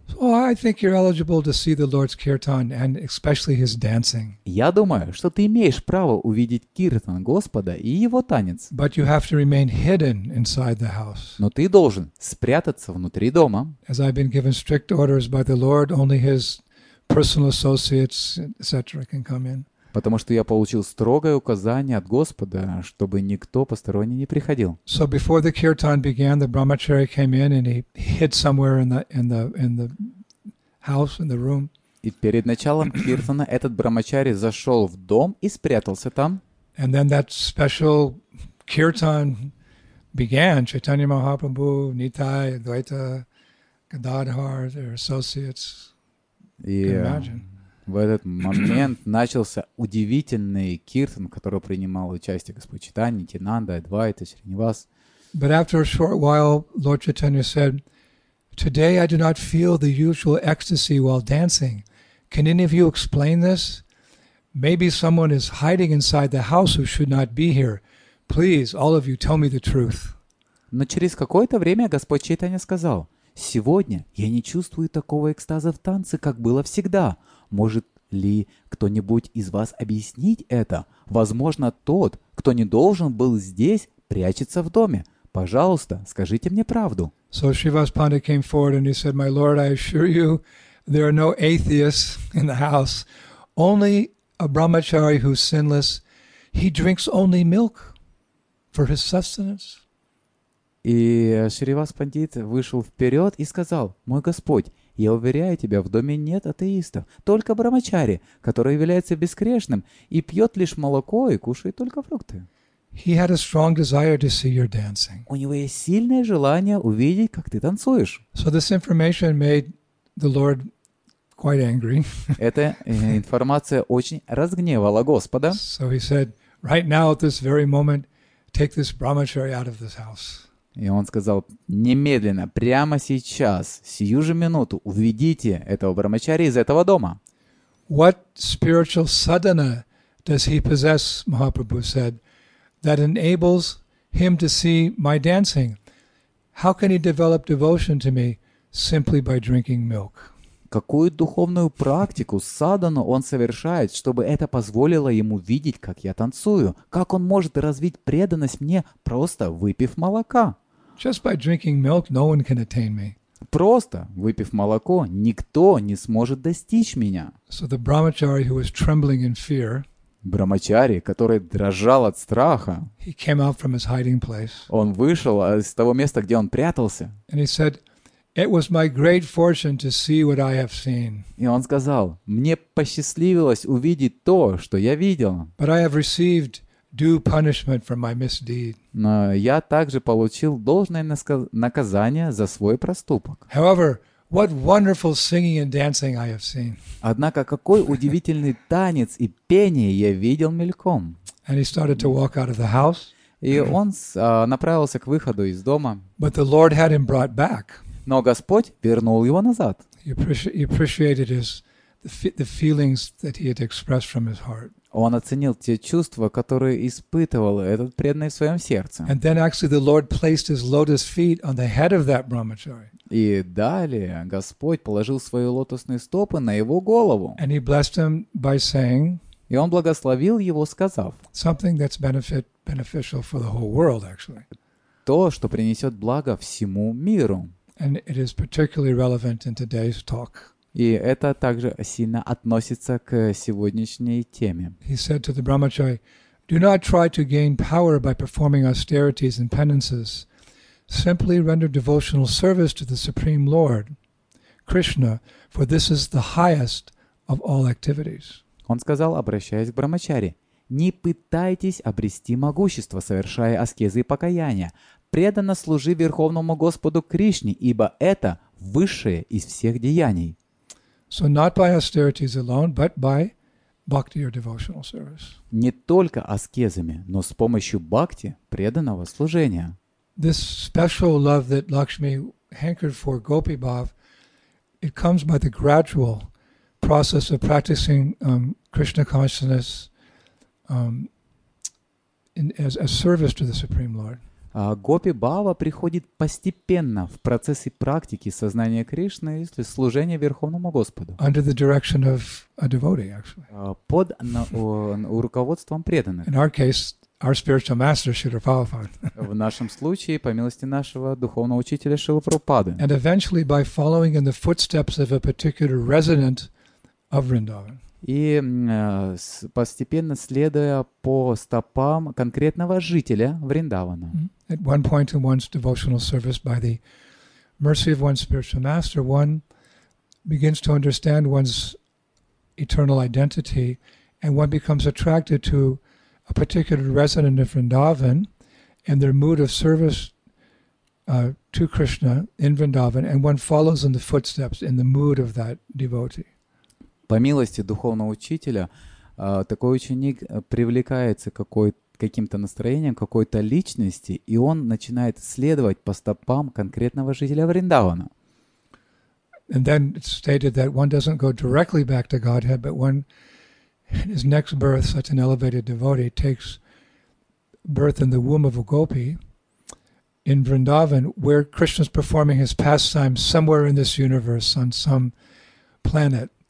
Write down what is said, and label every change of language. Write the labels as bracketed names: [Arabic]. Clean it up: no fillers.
[English] So I think you're eligible to see the Lord's kirtan and especially his dancing. [Russian] Я думаю, что ты имеешь право увидеть киртан Господа и его танец. [English] But you have to remain hidden inside the house. [Russian] Но ты должен спрятаться внутри дома. [English] As I've been given strict orders by the Lord, only his personal associates, etc., can come in. [Russian] Потому что я получил строгое указание от Господа, чтобы никто посторонний не приходил. [English] So before the kirtan began, the brahmachari came in and he hid somewhere in the house, in the room. [Russian] И перед началом киртана этот брамачари зашел в дом и спрятался там. [English] And then that special kirtan began. Chaitanya Mahaprabhu, Nitai, Advaita, Gadadhar, their associates. [Russian] В этот момент начался удивительный киртан, в котором принимал участие Господь Чайтанья, Нитинанда, Адвайта, Шринивас. [English] But after a short while, Lord Chaitanya said, "Today I do not feel the usual ecstasy while dancing. Can any of you explain this? Maybe someone is hiding inside the house who should not be here. Please, all of you, tell me the truth." [Russian] Но через какое-то время Господь Чайтанья сказал: "Сегодня я не чувствую такого экстаза в танце, как было всегда. Может ли кто-нибудь из вас объяснить это? Возможно, тот, кто не должен был здесь, прячется в доме. Пожалуйста, скажите мне правду." [English] So Shrivas Panda came forward and he said, "My lord, I assure you, there are no atheists in the house. Only a brahmachari who's sinless. He drinks only milk for his sustenance." [Russian] И Шривас Пандит вышел вперед и сказал: "Мой Господь, я уверяю тебя, в доме нет атеистов, только брамачари, который является бескрешным и пьет лишь молоко и кушает только фрукты." [English] He had a strong desire to see your dancing. [Russian] У него есть сильное желание увидеть, как ты танцуешь. [English] So this information made the Lord quite angry. [Russian] Эта информация очень разгневала Господа. [English] So he said, "Right now, at this very moment, take this brahmachari out of this house." [Russian] И он сказал: "Немедленно, прямо сейчас, сию же минуту, уведите этого брамачари из этого дома." [English] What spiritual sadhana does he possess, Mahaprabhu said, that enables him to see my dancing? How can he develop devotion to me simply by drinking milk? [Russian] Какую духовную практику, садхану, он совершает, чтобы это позволило ему видеть, как я танцую? Как он может развить преданность мне, просто выпив молока? [English] Just by drinking milk, no one can attain me. [Russian] Просто выпив молоко, никто не сможет достичь меня. [English] So the brahmachari, who was trembling in fear, [Russian] брамачари, который дрожал от страха, [English] he came out from his hiding place. [Russian] Он вышел из того места, где он прятался. [English] And he said, "It was my great fortune to see what I have seen." [Russian] И он сказал: "Мне посчастливилось увидеть то, что я видел." [English] But I have received due punishment for my misdeed. [Russian] Но я также получил должное наказание за свой проступок. [English] However, what wonderful singing and dancing I have seen. [Russian] Однако какой удивительный танец и пение я видел мельком. [English] And he started to walk out of the house. [Russian] И он направился к выходу из дома. [English] But the Lord had him brought back. [Russian] Но Господь вернул его назад. [English] He appreciated the feelings that he had expressed from his heart. [Russian] Он оценил те чувства, которые испытывал этот преданный в своем сердце. [English] And then actually the Lord placed his lotus feet on the head of that brahmachari. [Russian] И далее Господь положил свои лотосные стопы на его голову. [English] And he blessed him by saying, [Russian] и он благословил его, сказав, [English] something that's beneficial for the whole world, actually. [Russian] То, что принесет благо всему миру. [English] And it is particularly relevant in today's talk. [Russian] И это также сильно относится к сегодняшней теме. [English] He said to the brahmachari, "Do not try to gain power by performing austerities and penances. Simply render devotional service to the Supreme Lord, Krishna, for this is the highest of all activities." [Russian] Он сказал, обращаясь к брамачари: "Не пытайтесь обрести могущество, совершая аскезы и покаяния. Преданно служи Верховному Господу Кришне, ибо это высшее из всех деяний." [English] So not by austerities alone, but by bhakti or devotional service. [Russian] Не только аскезами, но с помощью бхакти, преданного служения. [English] This special love that Lakshmi hankered for Gopi Bhav, it comes by the gradual process of practicing Krishna consciousness as service to the Supreme Lord. [Russian] Гопи Бхава приходит постепенно в процессе практики сознания Кришны и служения Верховному Господу. [English] Under the direction of a devotee, actually. [Russian] Под руководством преданных. [English] In our case, our spiritual master, Śrīla Prabhupāda. [Russian] В нашем случае, по милости нашего духовного учителя Шрила Прабхупады. [English] And eventually by following in the footsteps of a particular resident of Vrindavan. [Russian] и постепенно следуя по стопам конкретного жителя Вриндавана. [English] At one point in one's devotional service, by the mercy of one's spiritual master, one begins to understand one's eternal identity, and one becomes attracted to a particular resident of Vrindavan and their mood of service to Krishna in Vrindavan, and one follows in the footsteps in the mood of that devotee. [Russian] По милости духовного учителя, такой ученик привлекается каким-то настроением какой-то личности, и он начинает следовать по стопам конкретного жителя Вриндавана. [English] And then it's stated that one doesn't go directly back to Godhead, but one, in his next birth, such an elevated devotee, takes birth in the womb of a gopi in Vrindavan, where Krishna's performing his pastime somewhere in this universe on some planet.